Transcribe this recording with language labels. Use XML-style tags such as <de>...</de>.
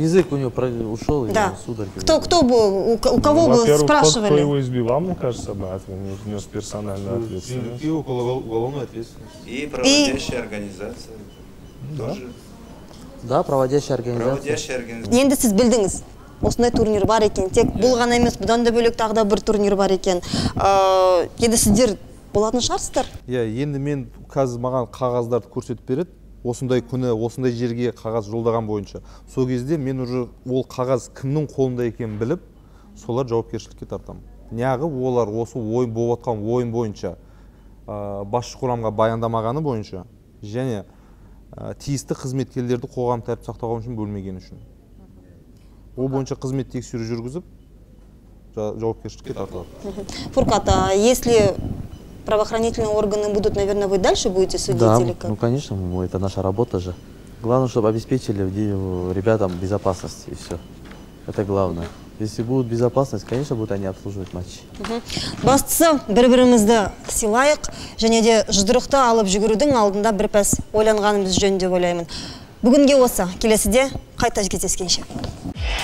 <ru>Язык у него ушел, да. И судороги. Кто бы, у кого бы спрашивали? Кто его избил, мне кажется, бы внес персональную ответственность. И уголовную ответственность. И проводящая организация тоже. Да, проводящая организация. Проводящая организация.</ru> <kk>Енді сіз білдіңіз. Осындай турнир бар екен, тек бұл ғана емес, бұдан да бөлек тағы да бір турнир бар екен. Енді сіздер болатын шығарсыздар? Иә, енді мен қазір маған қағаздарды көрсетіп береді, осындай күні, осындай жерге қағаз жолдаған бойынша. Сол кезде мен уже ол қағаз кімнің қолында екен біліп, солар жауапкершілікке тартамын. Неғып олар осы ойын болатқан ойын бойынша, басшы құрамға баяндамағаны бойынша, және тиісті қызметкерлерді қоғам тәртіп сақтауы үшін бөлмегені үшін. Ол бойынша қызмет тексеру жүргізіп, жауапкершілікке тартылады.</kk> <ru>Фуркат, а если правоохранительные органы будут, наверное, вы дальше будете судить? Да, или как? Ну, конечно, это наша работа же. Главное, чтобы обеспечили ребятам безопасность, и все. Это главное. Если будет безопасность, конечно, будут они обслуживать матчи.</ru> <kk>Бастысы, бір-бірімізді сыйлайық, және де жұдырықты алып жүгірудің алдында бір пәс ойланғанымыз жөн деп ойлаймын. Бүгінге осы, келесіде қайта кездескенше.</kk>